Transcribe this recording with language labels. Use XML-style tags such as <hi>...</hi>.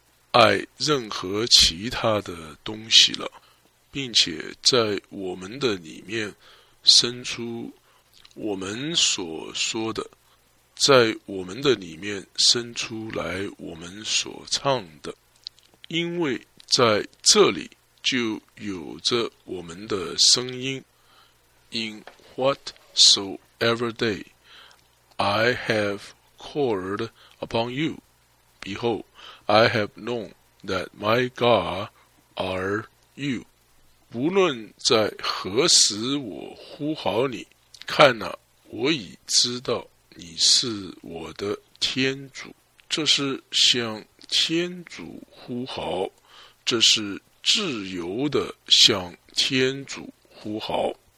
<zh>爱任何其他的东西了，并且在我们的里面生出我们所说的，在我们的里面生出来我们所唱的，因为在这里就有着我们的声音。</zh> <en>In whatsoever day I have called upon you, behold, I have known that my God are you.</en> <zh>无论在何时我呼号你，看哪，我已知道你是我的天主。这是向天主呼号，这是自由的向天主呼号。</zh>